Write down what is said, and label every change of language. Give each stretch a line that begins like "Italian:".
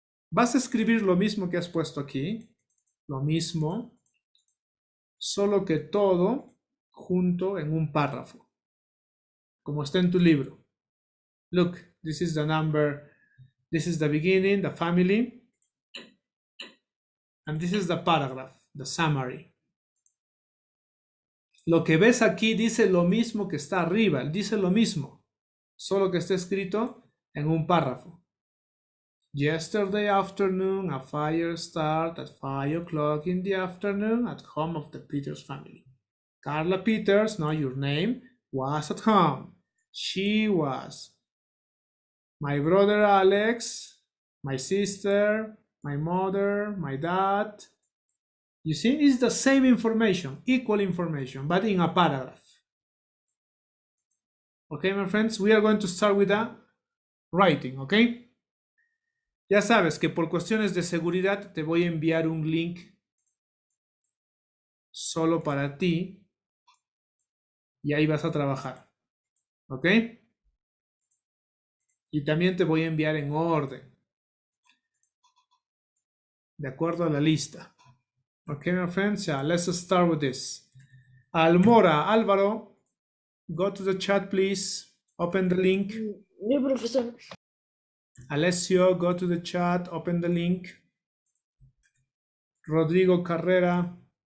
Spanish: Vas a escribir lo mismo que has puesto aquí, lo mismo, solo que todo junto en un párrafo, como está en tu libro.
English: Look, this is the number, this is the beginning, the family, and this is the paragraph, the summary.
Spanish: Lo que ves aquí dice lo mismo que está arriba, dice lo mismo, solo que está escrito en un párrafo.
English: Yesterday afternoon, a fire started at 5 o'clock in the afternoon at home of the Peters family. Carla Peters, not your name, was at home. She was. My brother Alex, my sister, my mother, my dad. You see, it's the same information, equal information, but in a paragraph. Okay, my friends, we are going to start with that. Writing, ¿ok?
Spanish: Ya sabes que por cuestiones de seguridad te voy a enviar un link solo para ti y ahí vas a trabajar, ¿ok? Y también te voy a enviar en orden, de acuerdo a la lista.
English: Ok, my friends, yeah, let's start with this. Almora, Álvaro, go to the chat, please. Open the link.
Spanish: Sí, profesor.
English: Alessio, go to the chat, open the link. Rodrigo Carrera.